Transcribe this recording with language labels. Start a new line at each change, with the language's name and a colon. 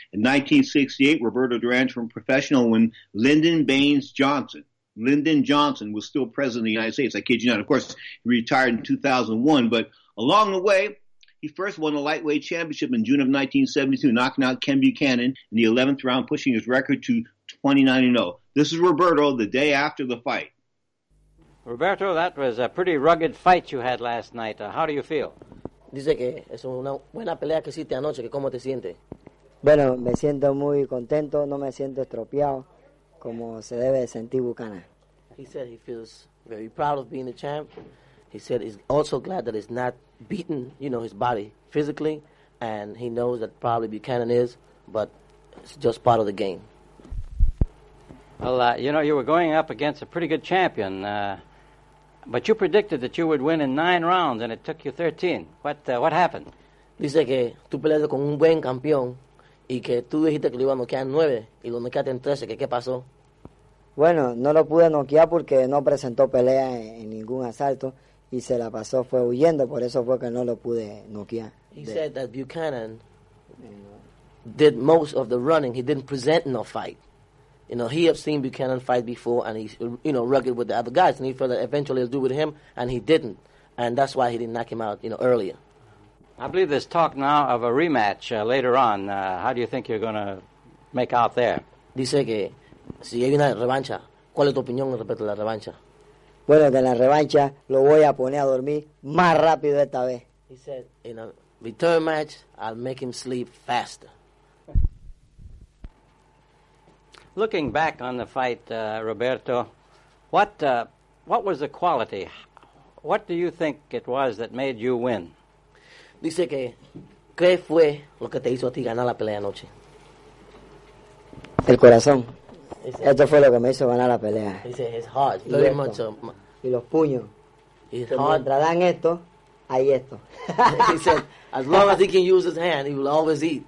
English: In 1968, Roberto Duran turned professional when Lyndon Johnson was still president of the United States. I kid you not. Of course, he retired in 2001, but along the way, he first won the lightweight championship in June of 1972, knocking out Ken Buchanan in the 11th round, pushing his record to 29-0. This is Roberto the day after the fight. Roberto, that was a pretty rugged fight you had last night. How do you feel?
Spanish: Dice que es una buena pelea que hiciste anoche. ¿Cómo te sientes? Bueno, me siento muy contento. No me siento estropeado como se debe sentir Buchanan.
English: He said he feels very proud of being the champ. He said he's also glad that he's not beaten, you know, his body physically. And he knows that probably Buchanan is, but it's just part of the game. Well, you know, you were going up against a pretty good champion, but you predicted that you would win in 9 rounds, and it took you 13. What happened?
Spanish: Dice que tú peleaste con un buen campeón, y que tú dijiste que lo iba a noquear 9, y lo noqueaste en 13. ¿Qué pasó? Bueno, no lo pude noquear porque no presentó pelea en ningún asalto, y se la pasó, fue huyendo, por eso fue que no lo pude noquear.
English: He said that Buchanan did most of the running. He didn't present no fight. You know, he had seen Buchanan fight before, and he's, you know, rugged with the other guys, and he felt that eventually he'll do with him, and he didn't. And that's why he didn't knock him out, you know, earlier. I believe there's talk now of a rematch later on. How do you think you're going to make out there?
Spanish: Dice que si hay una revancha, ¿cuál es tu opinión respecto a la revancha? Bueno, de la revancha lo voy a poner a dormir más rápido esta vez.
English: He said, in a return match, I'll make him sleep faster. Looking back on the fight, Roberto, what was the quality? What do you think it was that made you win?
Spanish: Dice que, ¿qué fue lo que te hizo a ti ganar la pelea anoche? El corazón. Esto fue lo que me hizo ganar la pelea.
English: Dice, his heart, very much.
Spanish: Y los puños.
English: His heart.
Spanish: Mientras dan esto, hay esto.
English: He said, as long as he can use his hand, he will always eat.